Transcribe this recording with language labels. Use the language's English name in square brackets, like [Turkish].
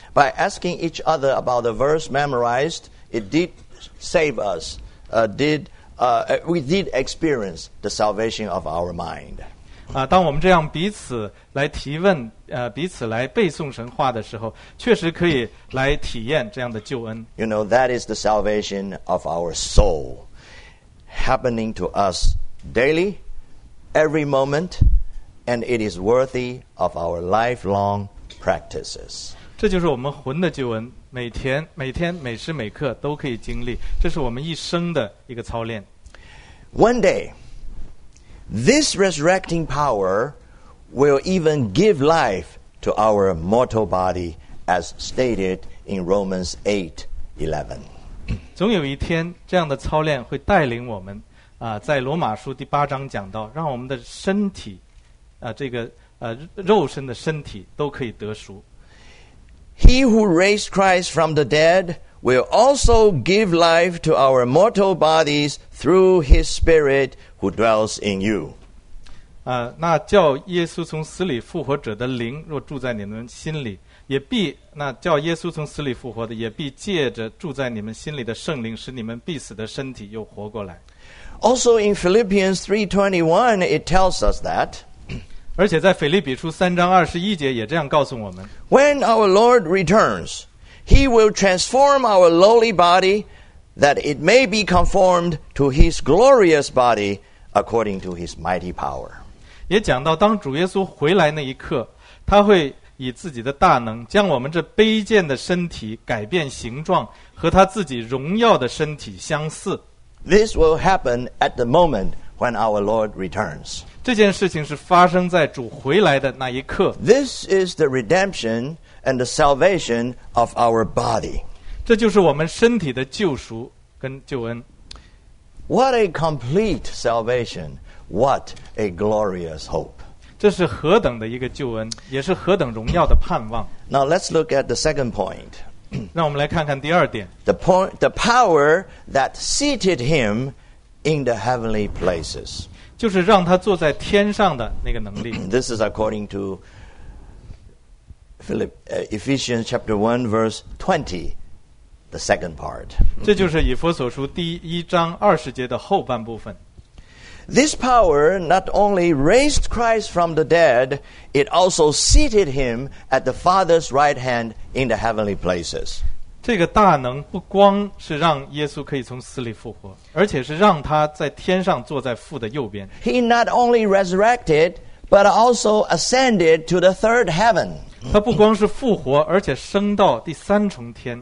[English] By asking each other about the verse memorized, it did save us. We did experience the salvation of our mind. [Chinese] 当我们这样彼此来提问，彼此来背诵神话的时候，确实可以来体验这样的救恩。 [English] You know, that is the salvation of our soul happening to us daily, every moment, and it is worthy of our lifelong practices. [Chinese] 这就是我们魂的救恩，每天每时每刻都可以经历，这是我们一生的一个操练。 [English] One day, this resurrecting powerwill even give life to our mortal body as stated in Romans 8:11. [Chinese] 总有一天这样的操练会带领我们，在罗马书第八章讲到，让我们的身体，这个肉身的身体都可以得赎。 [English] He who raised Christ from the dead will also give life to our mortal bodies through His Spirit who dwells in you. [Chinese] 那叫耶稣从死里复活者的灵若住在你们心里，也必那叫耶稣从死里复活的，也必借着住在你们心里的圣灵，使你们必死的身体又活过来。 [English] Also in Philippians 3:21, it tells us that. [Chinese] 而且在腓立比书三章二十一节也这样告诉我们。 [English] When our Lord returns, He will transform our lowly body, that it may be conformed to His glorious body, according to His mighty power. [Chinese] 也讲到当主耶稣回来那一刻，他会以自己的大能将我们这卑贱的身体改变形状，和他自己荣耀的身体相似。 [English] This will happen at the moment when our Lord returns. [Chinese] 这件事情是发生在主回来的那一刻。 [English] This is the redemption and the salvation of our body. [Chinese] 这就是我们身体的救赎跟救恩。 [English] What a complete salvation! What a glorious hope! [Chinese] 这是何等的一个救恩，也是何等荣耀的盼望。 [English] Now let's look at the second point. [Chinese] 让我们来看看第二点。 [English] The power that seated him in the heavenly places. [Chinese] 就是让他坐在天上的那个能力。 [English] This is according to Ephesians chapter 1 verse 20, the second part. [Chinese] 这就是以弗所书第一章二十节的后半部分。 [English] This power not only raised Christ from the dead, it also seated him at the Father's right hand in the heavenly places. [Chinese] 这个大能不光是让耶稣可以从死里复活，而且是让他在天上坐在父的右边。 [English] He not only resurrected, but also ascended to the third heaven. [Chinese] 他不光是复活，而且升到第三重天。